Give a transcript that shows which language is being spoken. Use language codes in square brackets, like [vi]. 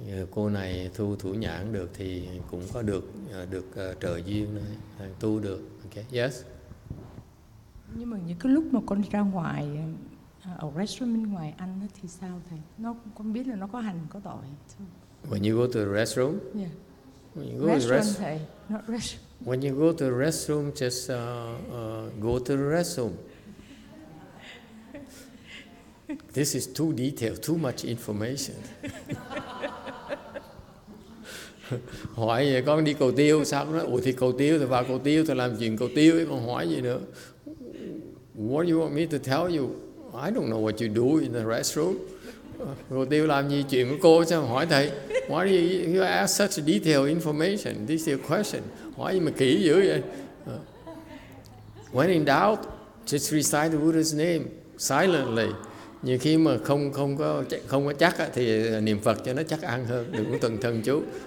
[vi] Cô này tu thủ nhãn được thì cũng có được trợ duyên này, tu được. [en] Okay. Yes. [vi] Nhưng mà những cái lúc mà con ra ngoài ở restaurant bên ngoài ăn thì sao thầy? Nó con biết là nó có hành có tội. [en] When you go to the restroom? Yeah. When you go restaurant, to thầy, not restroom. When you go to the restroom, just go to the restroom. This is too detailed, too much information. [vi] Hỏi vậy con đi cầu tiêu sao? Nói, ủa thì cầu tiêu thì vào cầu tiêu thì làm chuyện cầu tiêu, còn hỏi gì nữa? [en] What do you want me to tell you? I don't know what you do in the restroom. [vi] Cầu tiêu làm gì chuyện của cô sao mà hỏi thầy? [en] Why do you ask such detailed information? This is a question. [vi] Hỏi gì mà kỹ dữ vậy? [en] When in doubt, just recite the Buddha's name silently. [vi] Nhiều khi mà không có chắc thì niệm Phật cho nó chắc ăn hơn, đừng có tuần thần chú.